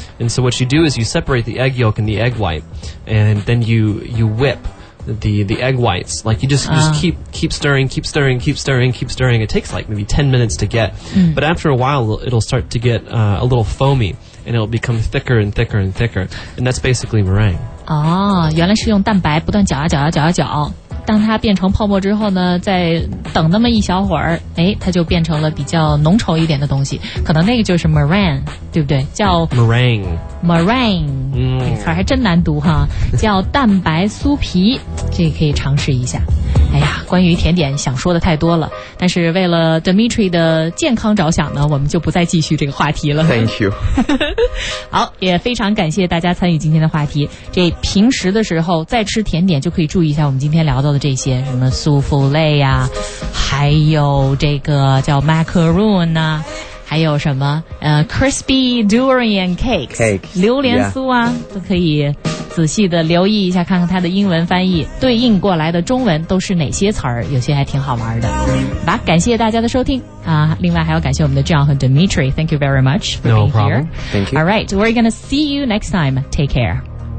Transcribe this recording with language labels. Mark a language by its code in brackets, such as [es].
[en] And so what you do is you separate the egg yolk and the egg white, and then you, you whip the egg whites. Like you just, keep stirring. It takes like maybe 10 minutes to get. Mm. But after a while, it'll start to get a little foamy. And it'll become thicker and thicker and thicker. And that's basically meringue. [zh] 哦，原来是用蛋白不断搅啊搅啊搅啊搅，当它变成泡沫之后呢，再等那么一小会儿，哎，它就变成了比较浓稠一点的东西。可能那个就是 meringue， 对不对？叫 [en] meringue。 [zh] meringue， 这词还真难读哈，叫蛋白酥皮，这个可以尝试一下。哎呀，关于甜点想说的太多了，但是为了 Dimitri 的健康着想呢，我们就不再继续这个话题了。 [en] Thank you [zh] 好，也非常感谢大家参与今天的话题。这平时的时候再吃甜点就可以注意一下我们今天聊到的这些，什么苏芙蕾呀，还有这个叫 macaroon 啊，还有什么crispy durian [en] cakes [zh] 榴莲酥啊、 [en] yeah. [zh] 都可以仔细的留意一下，看看它的英文翻译对应过来的中文都是哪些词儿，有些还挺好玩的。好吧，感谢大家的收听啊！另外还要感谢我们的 John 和 Dimitri， [en] Thank you very much for being here. No problem. Thank you. Alright, we're gonna see you next time. Take care.